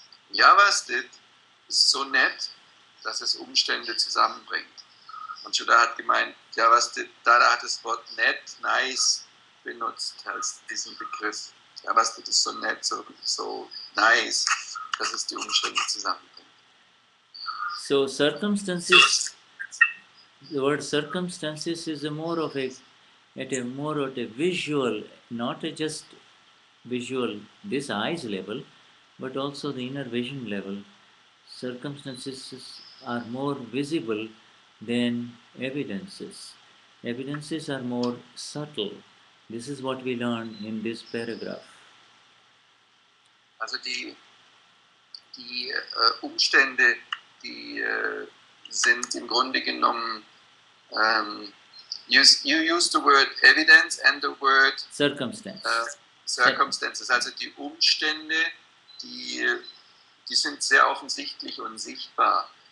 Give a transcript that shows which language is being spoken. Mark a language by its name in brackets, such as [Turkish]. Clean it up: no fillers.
[German] Vyavasthit ist so nett, dass es Umstände zusammenbringt. Und Shuddha hat gemeint, Vyavasthit, Dada hat das Wort nett, nice benutzt als diesen Begriff. Vyavasthit ist so nett, so nice, dass es die Umstände zusammenbringt. [English] So circumstances. The word circumstances is a more of a visual, not a just visual, this eyes level, but also the inner vision level. Circumstances are more visible than evidences. Evidences are more subtle. This is what we learn in this paragraph. [German] Also die Umstände, die sind im Grunde genommen. [English] You use the word evidence and the word circumstances. [German] Also die Umstände, die sind sehr offensichtlich und sichtbar.